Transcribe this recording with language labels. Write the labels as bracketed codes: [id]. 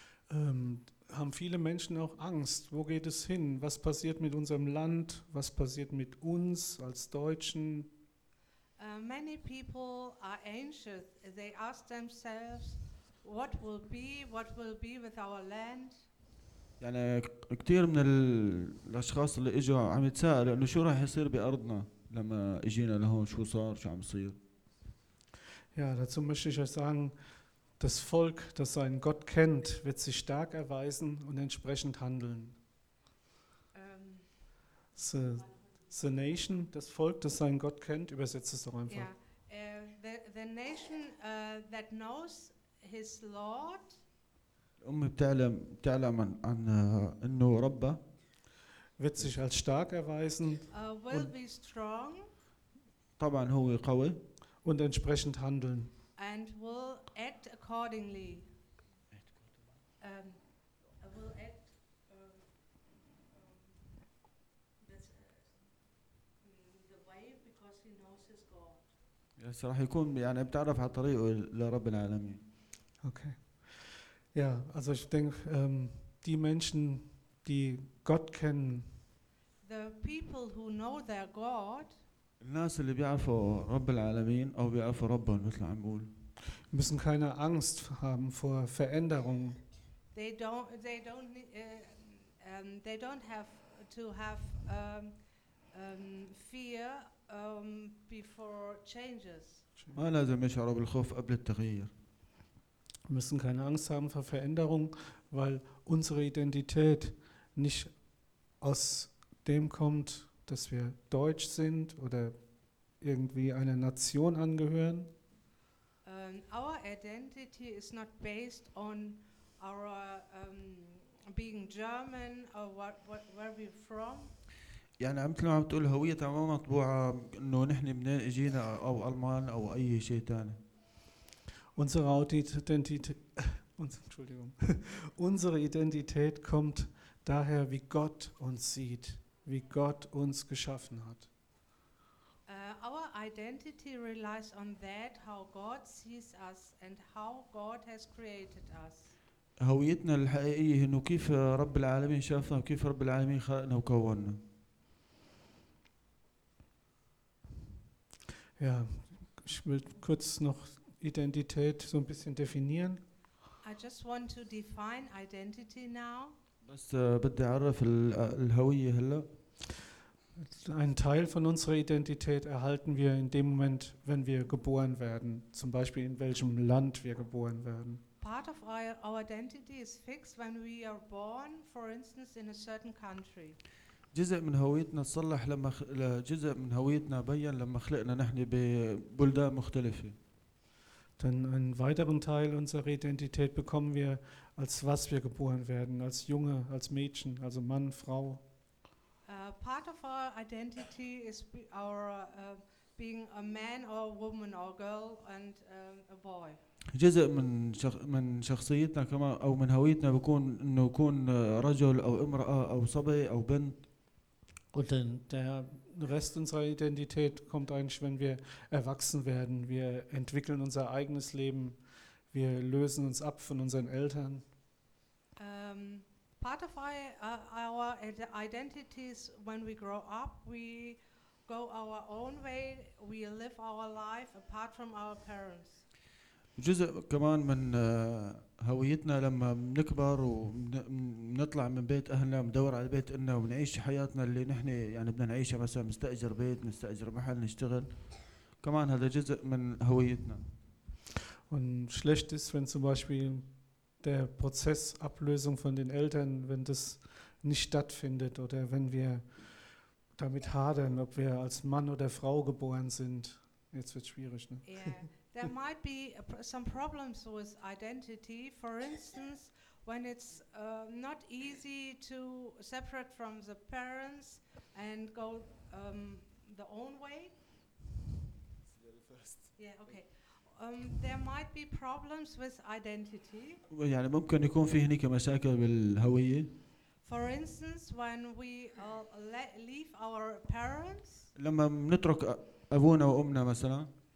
[de] Haben viele Menschen auch Angst, wo geht es hin, was passiert mit unserem Land, was passiert mit uns als Deutschen? [en] Many people are anxious, they ask themselves what will be with our land. [ar] يعني كثير من الاشخاص اللي اجوا عم يتساءلوا انه شو راح يصير بارضنا لما اجينا لهون, شو صار, شو عم يصير. [de] Ja, dazu möchte ich euch sagen, das Volk, das seinen Gott kennt, wird sich stark erweisen und entsprechend handeln. [en] The nation, [de] das Volk, das seinen Gott kennt, übersetzt es doch einfach. Yeah. [en] The nation that knows his Lord. [ar] الأمه بتعلم عن انه ربه [de] wird sich als stark erweisen [en] will be strong, [ar] طبعا هو قوي [de] und entsprechend handeln [en] and will act accordingly will act the way because he knows his God. [ar] راح يكون يعني بتعرف على طريقه لرب العالمين. [de] Okay. Ja, also ich denke die Menschen, die Gott kennen. [en] The people who know their God. [ar] الناس اللي بيعرفوا رب العالمين أو بيعرفوا ربهم مثل عم بقول. [de] Müssen keine Angst haben vor Veränderung. [en] They don't have to have fear before changes. [ar] ما لازم يشعروا بالخوف قبل التغيير. [de] Müssen keine Angst haben vor Veränderung, weil unsere Identität nicht aus dem kommt, dass wir Deutsch sind oder irgendwie einer Nation angehören. [en] Our identity is not based on our being German or where we're from. [ar] يعني مثل ما عم تقول هوية ما مطبوعة إنه نحن منين إجينا أو ألمان أو أي شيء تاني. [de] Unsere Identität, Entschuldigung, unsere Identität kommt daher, wie Gott uns sieht, wie Gott uns geschaffen hat. [en] Our identity relies on that, how God sees us and how God has created us. [ar] هويتنا الحقيقية إنه كيف رب العالمين شافنا وكيف رب العالمين خلقنا وكوننا. [de] Ja, ich will kurz noch Identität so ein bisschen definieren. [en] I just want to define identity now. [ar] بس بدي أعرف الهوية هلا. [de] Einen Teil von unserer Identität erhalten wir in dem Moment, wenn wir geboren werden, zum Beispiel in welchem Land wir geboren werden. [en] Part of our identity is fixed when we are born, for instance, in a certain country. [ar] جزء من هويتنا صلح لما جزء من هويتنا بين لما خلقنا نحن ببلدان مختلفة. [de] Dann einen weiteren Teil unserer Identität bekommen wir, als was wir geboren werden, als Junge, als Mädchen, also Mann, Frau. [en] Part of our identity is being a man or a woman or a girl and a boy. [ar] جزء من شخصيتنا كمان أو من هويتنا بكون إنه يكون رجل أو امرأة أو صبي أو بنت. [de] Und dann der Rest unserer Identität kommt eigentlich, wenn wir erwachsen werden. Wir entwickeln unser eigenes Leben. Wir lösen uns ab von unseren Eltern. [en] Part of our identities, when we grow up, we go our own way. We live our life apart from our parents. [ar] جزء كمان من هويتنا لما بنكبر ونطلع من بيت أهلنا ندور على بيت إنا ونعيش حياتنا اللي نحن يعني بدنا نعيشها مثلا نستأجر بيت نستأجر محل نشتغل كمان هذا جزء من هويتنا. [de] Und schlecht ist, wenn zum Beispiel der Prozess Ablösung von den Eltern, wenn das nicht stattfindet oder wenn wir damit hadern, ob wir als Mann oder Frau geboren sind. Jetzt wird's schwierig, ne? [en] There might be some problems with identity. For instance, when it's not easy to separate from the parents and go the own way. Yeah, okay. There might be problems with identity. [ar] يعني ممكن يكون في هناك مشاكل بالهوية. [en] For instance, when we leave our parents. [ar] لما نترك أبونا وأمنا مثلاً.